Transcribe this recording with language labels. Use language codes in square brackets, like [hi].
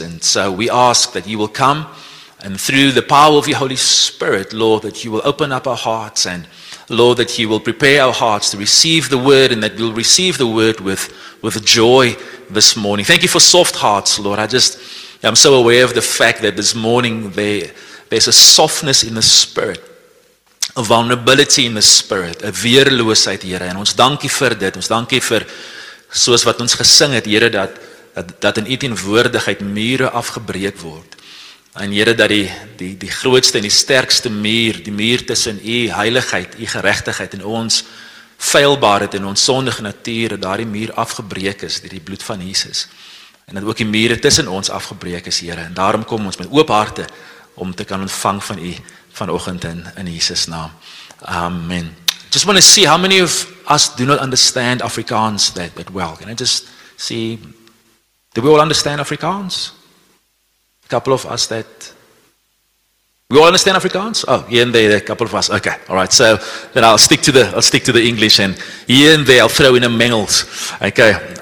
[en] And so we ask that you will come, and through the power of your Holy Spirit, Lord, that you will open up our hearts, and Lord, that you will prepare our hearts to receive the word, and that we'll receive the word with joy this morning. Thank you for soft hearts, Lord. I'm so aware of the fact that this morning there's a softness in the spirit, a vulnerability in the spirit, a [af] weerloosheid, Here. [en] And [af] ons dankie vir dit. Ons dankie vir soos wat ons gesing het, Here, dat in u teenwoordigheid mure afgebreek word. En Here, dat die grootste en die sterkste muur, die muur tussen u heiligheid, u geregtigheid en ons feilbaar het en ons sondige natuur dat daardie muur afgebreek is deur die bloed van Jesus. En dat ook die mure tussen ons afgebreek is, Here. En daarom kom ons met oop harte om te kan ontvang van U vanoggend in Jesus naam. Amen. [en] Just want to see how many of us do not understand Afrikaans that well. Can I just see, do we all understand Afrikaans? A couple of us that, we all understand Afrikaans? Oh, here and there, a couple of us. Okay, all right. So then I'll stick to the English, and here and there I'll throw in a mingles. Okay.